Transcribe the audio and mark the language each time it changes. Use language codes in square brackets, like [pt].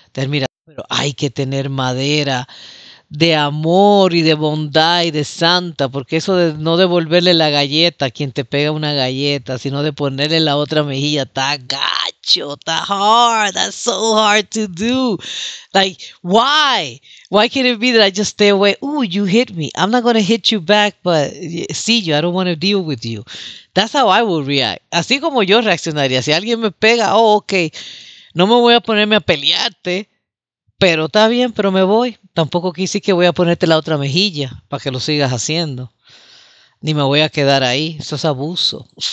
[es] Pero hay que tener madera de amor y de bondad y de santa, porque eso de no devolverle la galleta a quien te pega una galleta, sino de ponerle la otra mejilla, está gacho, está [en] hard, that's so hard to do. Like, why? Why can't it be that I just stay away? Ooh, you hit me. I'm not going to hit you back, but see you. I don't want to deal with you. That's how I would react. [es] Así como yo reaccionaría. Si alguien me pega, oh, okay. No me voy a ponerme a pelearte, pero está bien, pero me voy. Tampoco quise que voy a ponerte la otra mejilla para que lo sigas haciendo. Ni me voy a quedar ahí. Eso es abuso.